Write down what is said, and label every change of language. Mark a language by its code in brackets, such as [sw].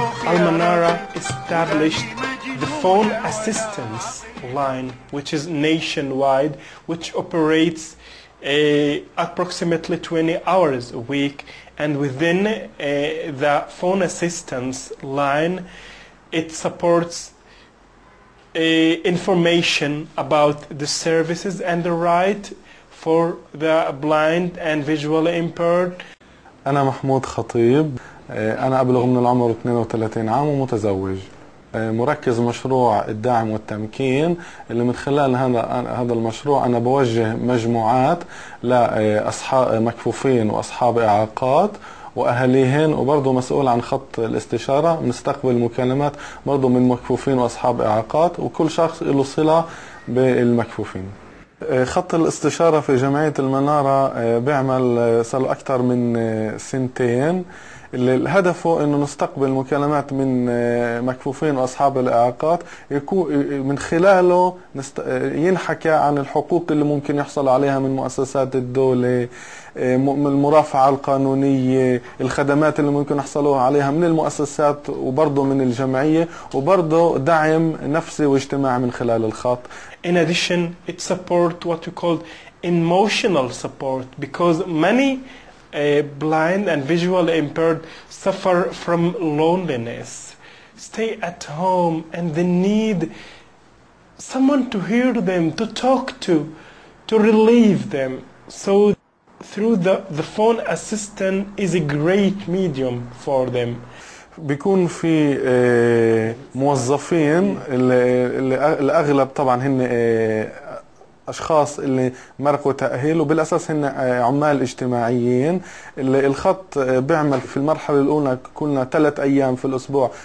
[en] المنارة established the phone assistance line, which is nationwide, which operates approximately 20 hours a week. And within the phone assistance line, it supports information about the services and the right for the blind and visually impaired. [ar] أنا محمود خطيب، أنا أبلغ من العمر 32 عام ومتزوج، مركز مشروع الدعم والتمكين اللي من خلال هذا المشروع أنا بوجه مجموعات لأصحاب مكفوفين وأصحاب إعاقات وأهليهن، وبرضو مسؤول عن خط الاستشارة، نستقبل مكالمات برضو من مكفوفين وأصحاب إعاقات وكل شخص له صلة بالمكفوفين. خط الاستشارة في جمعية المنارة بيعمل صار أكثر من سنتين، اللي هدفه أنه نستقبل مكالمات من مكفوفين وأصحاب الإعاقات يكون من خلاله ينحكى عن الحقوق اللي ممكن يحصل عليها من مؤسسات الدولة، المرافعة القانونية، الخدمات اللي ممكن يحصلوا عليها من المؤسسات وبرضه من الجمعية، وبرضه دعم نفسي واجتماعي من خلال الخط. [en] In addition, it supports what you call emotional support, because many blind and visually impaired suffer from loneliness, stay at home, and they need someone to hear them, to talk to relieve them. So through the phone assistant is a great medium for them. [ar] بيكون في موظفين اللي الأغلب طبعا هن أشخاص اللي مرقوا تأهيل وبالأساس هن عمال اجتماعيين. الخط بيعمل في المرحلة الأولى كلنا 3 أيام في الأسبوع